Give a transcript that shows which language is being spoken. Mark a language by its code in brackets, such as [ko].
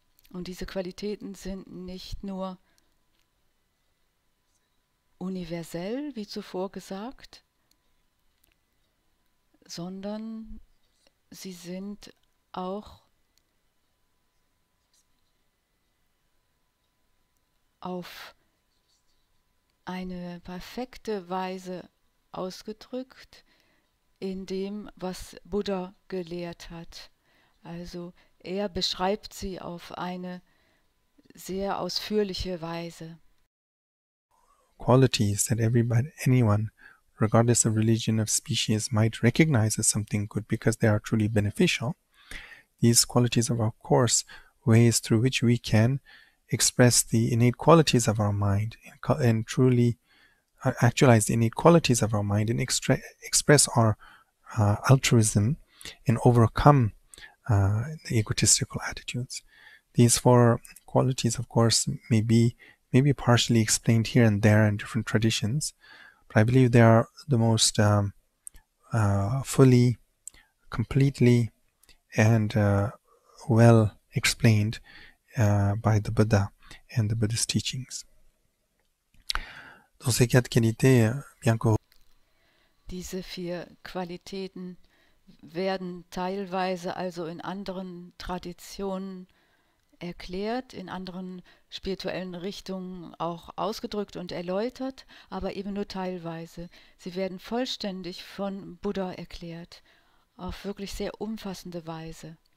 [de] Und diese Qualitäten sind nicht nur universell, wie zuvor gesagt, sondern sie sind auch auf eine perfekte Weise ausgedrückt in dem, was Buddha gelehrt hat. Also er beschreibt sie auf eine sehr ausführliche Weise. [en] Qualities that everybody, anyone, regardless of religion, of species, might recognize as something good because they are truly beneficial. These qualities are, of course, ways through which we can express the innate qualities of our mind and truly actualize the innate qualities of our mind and express our altruism and overcome the egotistical attitudes. These four qualities, of course, may be partially explained here and there in different traditions, but I believe they are the most fully, completely, and well explained by the Buddha and the Buddhist teachings. [fr] Dans ces quatre qualités, bien que [de] Diese vier Qualitäten werden teilweise also in anderen Traditionen erklärt, in anderen spirituellen Richtungen auch ausgedrückt und erläutert, aber eben nur teilweise. Sie werden vollständig von Buddha erklärt, auf wirklich sehr umfassende Weise.